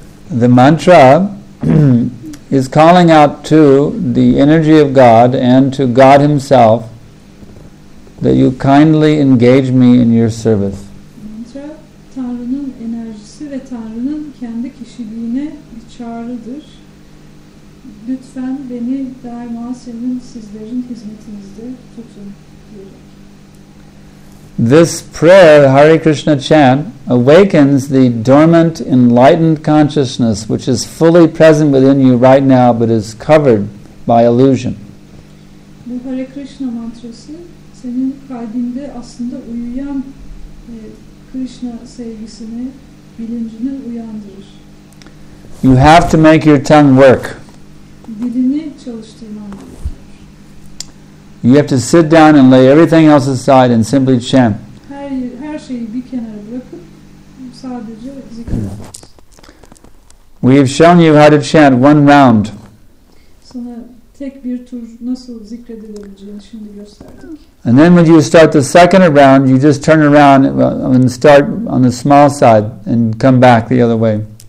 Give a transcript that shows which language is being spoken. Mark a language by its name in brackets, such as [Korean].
[English] The mantra is calling out to the energy of God and to God Himself that you kindly engage me in your service. [Turkish] Mantra, Tanrı'nın enerjisi ve Tanrı'nın kendi kişiliğine bir çağrıdır. Lütfen beni daima senin sizlerin hizmetinizde tutun. [English] This prayer, Hare Krishna chant, awakens the dormant, enlightened consciousness which is fully present within you right now but is covered by illusion. [Turkish] Bu Hare Krishna mantrası senin kalbinde aslında uyuyan Krishna sevgisini, bilincini uyandırır. [English] You have to make your tongue work. [Turkish] Dilini çalıştırman gerekiyor. [English] You have to sit down and lay everything else aside and simply chant. [Turkish] Her şeyi bir kenara bırakıp sadece zikredin. [English] We have shown you how to chant one round. [Turkish] Sana tek bir tur nasıl zikredilebileceğini şimdi gösterdik. [English] And then when you start the second round, you just turn around and start on the small side and come back the other way.